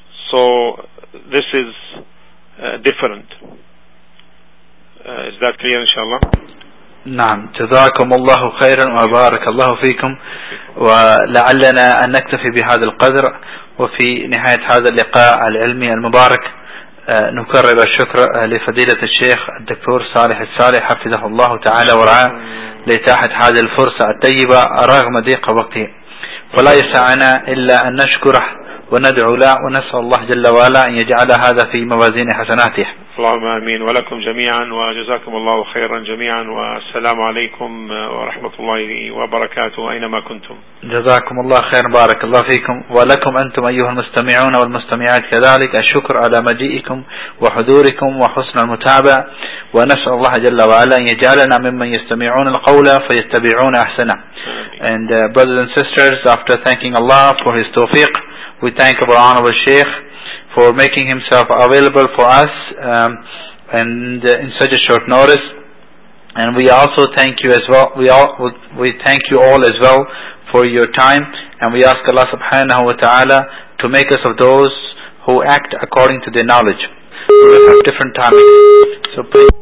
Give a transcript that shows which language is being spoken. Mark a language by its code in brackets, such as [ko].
[en] So this is different. Is that clear, inshallah? [ar] نعم جزاكم الله خيرا وبارك الله فيكم ولعلنا أن نكتفي بهذا القدر وفي نهاية هذا اللقاء العلمي المبارك نكرر الشكر لفضيلة الشيخ الدكتور صالح الصالح حفظه الله تعالى ورعاه لإتاحة هذه الفرصة الطيبة رغم ضيق وقته, ولا يسعنا إلا أن نشكره وندعو له ونسأل الله جل وعلا أن يجعل هذا في موازين حسناته. اللهم آمين. ولكم جميعا وجزاكم الله خيرا جميعا, والسلام عليكم ورحمة الله وبركاته أينما كنتم. جزاكم الله خيرا, بارك الله فيكم, ولكم أنتم أيها المستمعون والمستمعات كذلك الشكر على مجيئكم وحضوركم وحسن المتابعة, ونسأل الله جل وعلا أن يجعلنا ممن يستمعون القول فيتبعون أحسنه. [en] And brothers and sisters, after thanking Allah for his tawfiq, we thank our honorable Sheikh for making himself available for us and in such a short notice, and we also thank you as well, we thank you all as well for your time, and we ask Allah subhanahu wa ta'ala to make us of those who act according to their knowledge. We have different timing, so please.